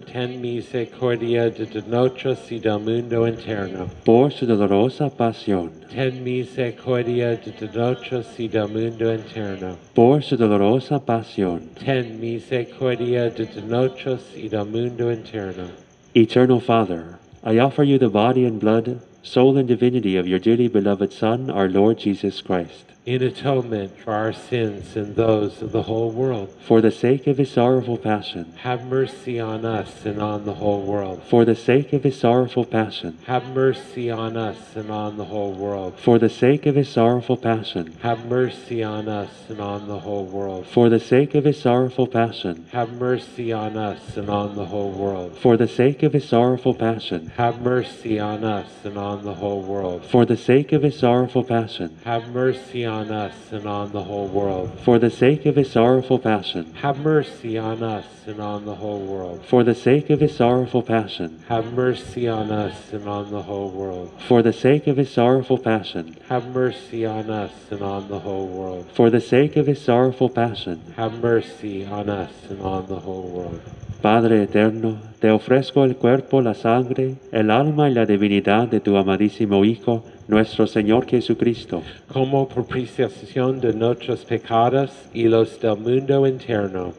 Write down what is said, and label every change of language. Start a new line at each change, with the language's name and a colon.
Spanish: Ten misericordia de nosotros y del mundo entero. Por su dolorosa pasión. Ten misericordia de nosotros y del mundo entero. Por su dolorosa pasión. Ten misericordia de nosotros y del mundo entero.
English: Eternal Father, I offer you the body and blood, soul and divinity of your dearly beloved Son, our Lord Jesus Christ, in atonement for our sins and those of the whole world. For the sake of his sorrowful passion, have mercy on us and on the whole world. For the sake of his sorrowful passion, have mercy on us and on the whole world. For the sake of his sorrowful passion, have mercy on us and on the whole world. For the sake of his sorrowful passion, have mercy on us and on the whole world. For the sake of his sorrowful passion, have mercy on us and on the whole world. For the sake of his sorrowful passion, have mercy on us and on the whole world. For the sake of his sorrowful passion, have mercy on us and on the whole world. For the sake of his sorrowful passion, have mercy on us and on the whole world. For the sake of his sorrowful passion, have mercy on us and on the whole world. For the sake of his sorrowful passion, have mercy on us and on the whole world.
Spanish: Padre eterno, te ofrezco el cuerpo, la sangre, el alma y la divinidad de tu amadísimo Hijo, nuestro Señor Jesucristo. Como propiciación de nuestros pecados y los del mundo entero.